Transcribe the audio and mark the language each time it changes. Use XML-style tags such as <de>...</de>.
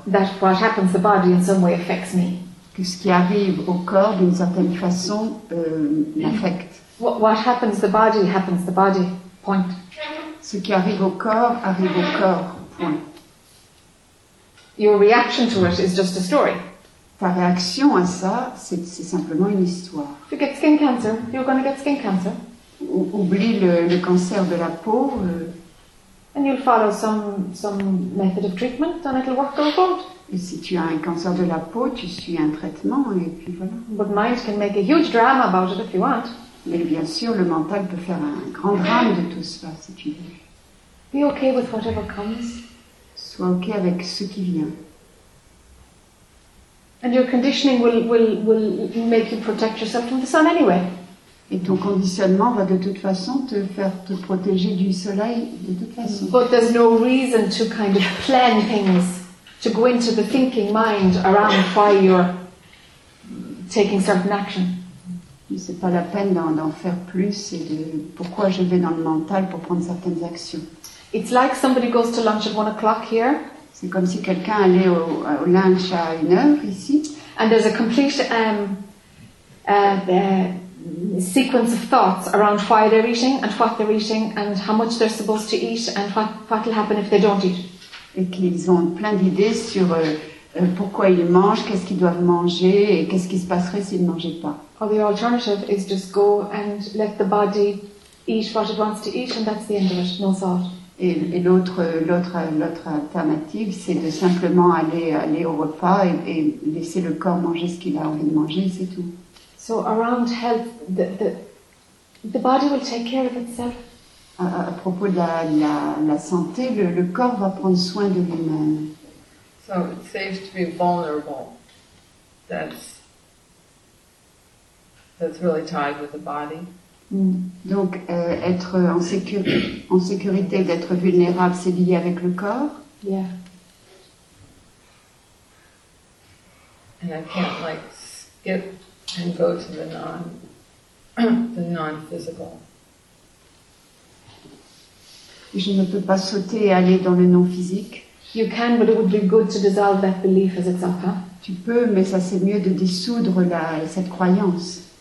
<en>That what happens to the body in some way affects me.</en> <fr>Que ce qui arrive au corps d'une certaine façon m'affecte.</fr> <en>What happens to the body happens to the body.</en> <fr>Point. Ce qui arrive au corps. Point.</fr> <en>Your reaction to it is just a story.</en> <fr>Ta réaction à ça, c'est simplement une histoire.</fr> <en>If you get skin cancer, you're going to get skin cancer.</en> <fr>Oublie le cancer de la peau.</fr> <en>And you'll follow some method of treatment, and it'll work or won't.</en> <fr>Et si tu as un cancer de la peau, tu suis un traitement, et puis voilà.</fr> <en>But mind can make a huge drama about it if you want.</en> <fr>Mais bien sûr, le mental peut faire un grand drame de tout cela, si tu veux.</fr> <en>Be okay with whatever comes.</en> <fr>Sois okay avec ce qui vient.</fr> <en>And your conditioning will make you protect yourself from the sun anyway.</en> <fr>Et ton conditionnement va de toute façon te faire te protéger du soleil de toute façon.</fr> <en>But there's no reason to kind of plan things, to go into the thinking mind around why you're taking certain action.</en> <fr>C'est pas la peine d'en faire plus et de pourquoi je vais dans le mental pour prendre certaines actions.</fr> <en>It's like somebody goes to lunch at 1 o'clock here.</en> <fr>C'est comme si quelqu'un allait au lunch à 1 heure ici.</fr> <en>And there's a complete sequence of thoughts around why they're eating and what they're eating and how much they're supposed to eat and what will happen if they don't eat.</en> <fr>Et qu'ils ont plein d'idées sur pourquoi ils mangent, qu'est-ce qu'ils doivent manger et qu'est-ce qui se passerait s'ils ne mangeaient pas.</fr> <en>Or the alternative is just go and let the body eat what it wants to eat and that's the end of it, no thought.</en> <fr>Et l'autre alternative, c'est de simplement aller au repas et laisser le corps manger ce qu'il a envie de manger, c'est tout.</fr> <en>So around health, the body will take care of itself.</en> <fr>À propos de la santé, le corps va prendre soin de lui-même.</fr> <en>So it's safe to be vulnerable. That's really tied with the body.</en> <fr>Donc être en sécurité, d'être vulnérable, c'est lié avec le corps.</fr> <en>Yeah. And I can't like skip and go to the non-physical.</en> <fr>Je ne peux pas sauter et aller dans le non-physique.</fr> <en>You can, but it would be good to dissolve that belief as example.</en> <fr>Tu peux, mais ça c'est mieux de dissoudre cette croyance.</fr>